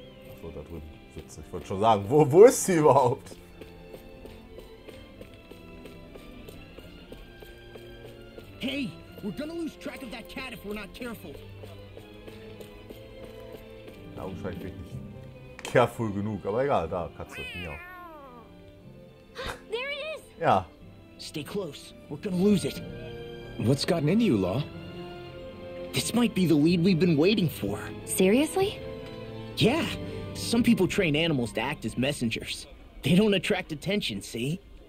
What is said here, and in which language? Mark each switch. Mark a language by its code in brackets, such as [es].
[de] Achso, da drüben sitzt sie. Ich wollte schon sagen, wo ist sie überhaupt? [en] Hey, we're gonna lose track of that cat if we're not careful. [de] Da anscheinend bin ich nicht careful genug, aber egal, da, Katze, ja. [en] There it is! [de] Ja. [en] Stay close, we're gonna lose it. What's gotten into you, Law? This might be the lead we've been waiting for. Seriously? Yeah, some people train animals to act as messengers. They don't attract attention, see?